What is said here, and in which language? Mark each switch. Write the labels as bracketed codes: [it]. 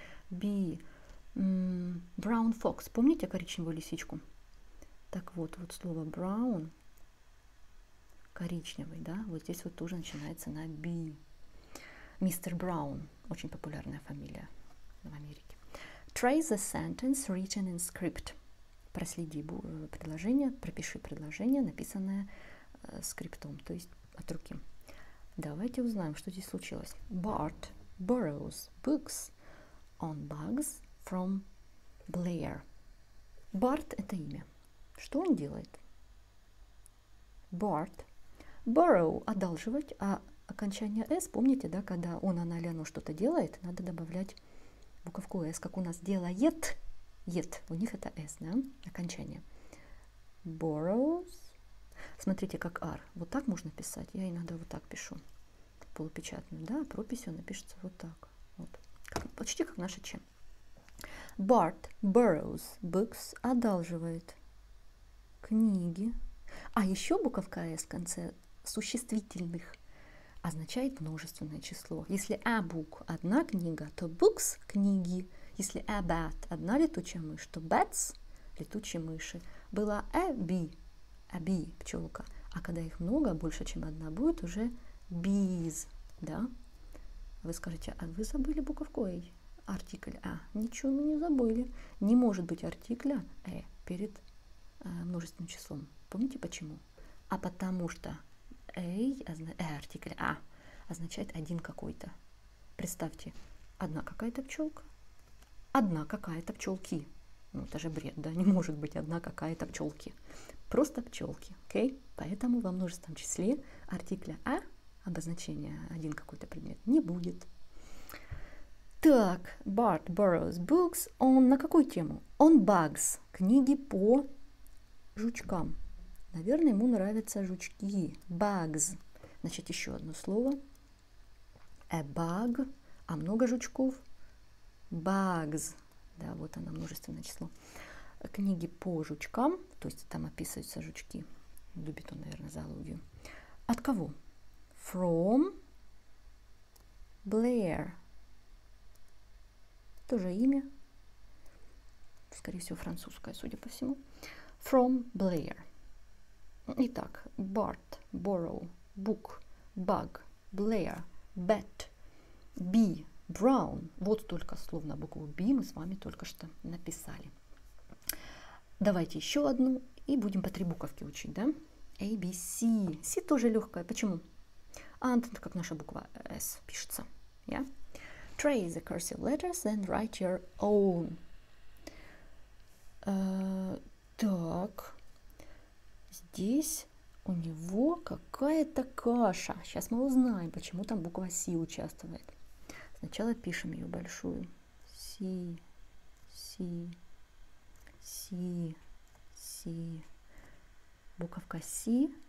[en] Би. Brown fox. [ru] Помните коричневую лисичку? Так вот, вот слово brown, коричневый, да? Вот здесь вот тоже начинается на би. Мистер Браун. Очень популярная фамилия в Америке. [en] Trace the sentence written in script. [ru] Проследи предложение, пропиши предложение, написанное скриптом, то есть от руки. Давайте узнаем, что здесь случилось. [en] Bart borrows books on bugs from Blair. [ru] Bart – это имя. Что он делает? Bart. Borrow – одалживать, а окончание S, помните, да, когда он, она или оно что-то делает, надо добавлять буковку S, как у нас делает. Yet. У них это S, да, окончание. Borrows. Смотрите, как R. Вот так можно писать. Я иногда вот так пишу. Полупечатную, да, прописью напишется вот так. Вот. Как, почти как наше Ч. [en] Bart borrows books, [ru] одалживает книги. А еще буковка S в конце существительных означает множественное число. Если a book – одна книга, то books – книги. Если a bat – одна летучая мышь, то bats – летучие мыши. Была a bee – a bee – пчелка. А когда их много, больше, чем одна, будет уже bees. Да? Вы скажете, а вы забыли буковку A? Артикль A. Ничего мы не забыли. Не может быть артикля A перед множественным числом. Помните почему? А потому что артикль A означает один какой-то. Представьте, одна какая-то пчелка, одна какая-то пчелки. Ну, это же бред, да? Не может быть одна какая-то пчелки. Просто пчелки. Окей? Поэтому во множественном числе артикля A обозначение один какой-то предмет не будет. Так, [en] Bart borrows books. [ru] Он на какую тему? [en] On bugs. [ru] Книги по жучкам. Наверное, ему нравятся жучки. Bugs. Значит, еще одно слово. A bug. А много жучков? Bugs. Да, вот оно, множественное число. Книги по жучкам. То есть там описываются жучки. Любит он, наверное, зоологию. От кого? [en] From Blair. [ru] Тоже имя. Скорее всего, французское, судя по всему. [en] From Blair. [ru] Итак, [en] Bart, borrow, book, bug, Blair, bat, bee, brown. [ru] Вот только слов на букву B мы с вами только что написали. Давайте еще одну и будем по три буковки учить, да? A, B, C. C тоже легкая. Почему? Антон, как наша буква S пишется. [en] Yeah? Trace the cursive letters and write your own. [ru] Так. Здесь у него какая-то каша. Сейчас мы узнаем, почему там буква C участвует. Сначала пишем ее большую. C, C, C, C. Буковка C.